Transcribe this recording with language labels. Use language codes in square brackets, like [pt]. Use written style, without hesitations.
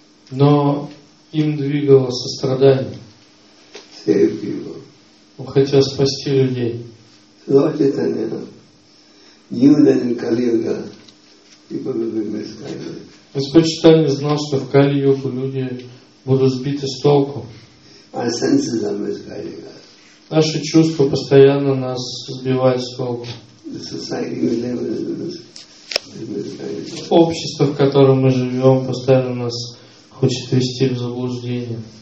[ru] Но им двигало сострадание. [en] Save people. [ru] Он хотел спасти людей. [en] Lord Chaitanya knew that in Kali Yuga people will be misguided. [ru] Господь Читания знал, что в Кали-Югу люди будут сбиты с толку. [en] Our senses are misguiding us. [ru] Наши чувства постоянно нас сбивают с толку. [en] The society we live in is misguided. [ru] Общество, в котором мы живем, постоянно нас хочет вести в заблуждение.